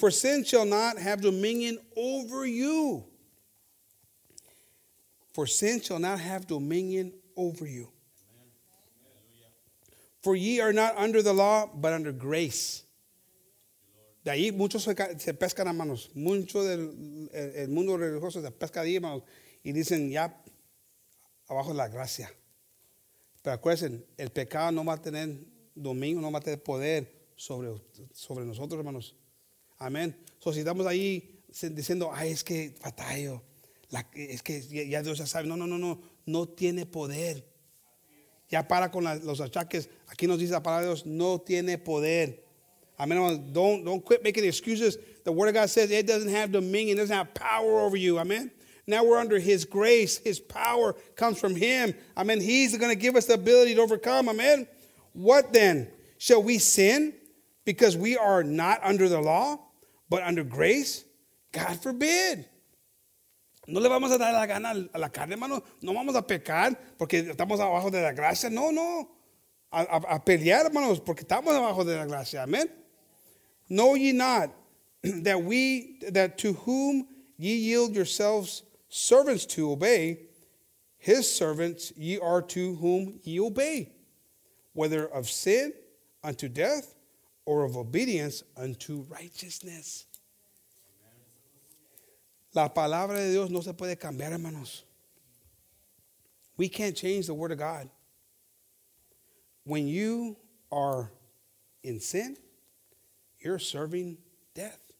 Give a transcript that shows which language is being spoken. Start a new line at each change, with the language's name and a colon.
English: For sin shall not have dominion over you. For sin shall not have dominion over you. For ye are not under the law, but under grace.
Spanish: De ahí muchos se pescan a manos. Mucho del mundo religioso se pesca de ahí, hermanos. Y dicen, ya, abajo la gracia. Pero acuérdense, el pecado no va a tener dominio, no va a tener poder sobre nosotros, hermanos. Amén. So, si estamos ahí diciendo, ay, es que batallo, es que ya Dios ya sabe. No tiene poder. Ya para con los achaques. Aquí nos dice la palabra de Dios, no tiene poder. Amén, hermanos.
English: Don't quit making excuses. The word of God says it doesn't have dominion, it doesn't have power over you. Amén. Now we're under his grace. His power comes from him. Amen. He's going to give us the ability to overcome. Amen. What then? Shall we sin because we are not under the law, but under grace? God forbid.
Spanish: No le vamos a dar la gana a la carne, hermano. No vamos a pecar porque estamos abajo de la gracia. No, no. A pelear, hermanos, porque estamos abajo de la gracia.
English: Amen. Know ye not that to whom ye yield yourselves servants to obey, his servants ye are to whom ye obey, whether of sin unto death or of obedience unto righteousness.
Spanish: La palabra de Dios no se puede cambiar, hermanos.
English: We can't change the word of God. When you are in sin, you're serving death.